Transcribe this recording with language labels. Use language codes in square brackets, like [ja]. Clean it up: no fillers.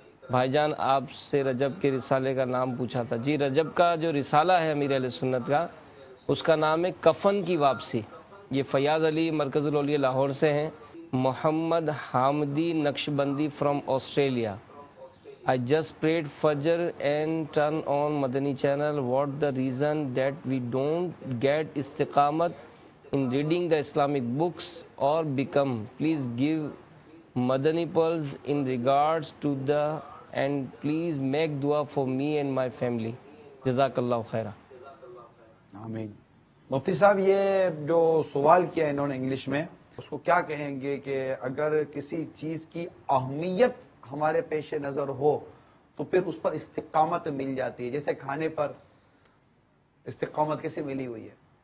[ur] بھائی جان آپ سے رجب کے رسالے کا نام پوچھا تھا. جی رجب کا جو رسالہ ہے امیر اہل سنت کا، اس کا نام ہے کفن کی واپسی. یہ فیاض علی مرکز الاولیاء لاہور سے ہیں. محمد Hamidi Naqshbandi from Australia. [en] I just prayed فجر and turn on Madani channel. What the reason that we don't get استقامت in reading the Islamic books or become? Please give Madani pearls in regards to the and please make دعا for me and my family. [ur] جزاک اللہ خیرہ. آمین. مفتی صاحب یہ جو سوال کیا ہے انہوں نے انگلش میں، اس کو کیا کہیں گے کہ اگر کسی چیز کی اہمیت ہمارے پیش نظر ہو تو پھر اس پر استقامت مل جاتی ہے، جیسے کھانے پر استقامت کیسے ملی ہوئی ہے؟